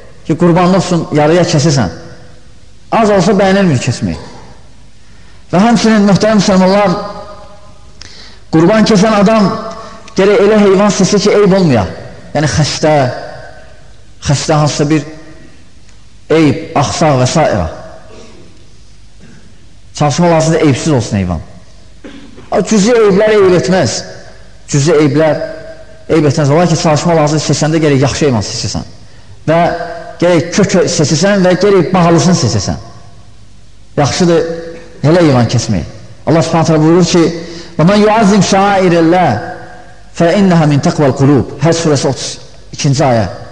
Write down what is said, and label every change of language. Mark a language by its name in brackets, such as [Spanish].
[Azerbaijani] Ki qurbanlıq üçün yarıya kəsirsən. Az olsa bəyənilmir kəsmək. Və həmçinin möhtərəm müsəlmanlar, qurban kəsən adam gerək elə heyvan seçir ki, eyb olmaya. Yəni xəstə hansısa bir eyb, axsaq və s. Çalışma lazımdır, eybsiz olsun heyvan. Cüzi eyblər eyb etməz. Cüzi eyblər eyb etməz. Olay ki, çalışma lazımdır, seçəndə gerək yaxşı heyvan seçirsən. Və gerək kök seçirsən və gerək bağlısını seçirsən. Yaxşıdır, elə heyvan kəsməyə. Allah Subhanahu taala buyurur ki, [Arabic] وَمَنْ يُعَظِّمْ شَعَائِرَ اللَّهِ فَإِنَّهَا مِنْ تَقْوَى الْقُلُوبِ [Azerbaijani] Həc surəsi 32-ci ayə.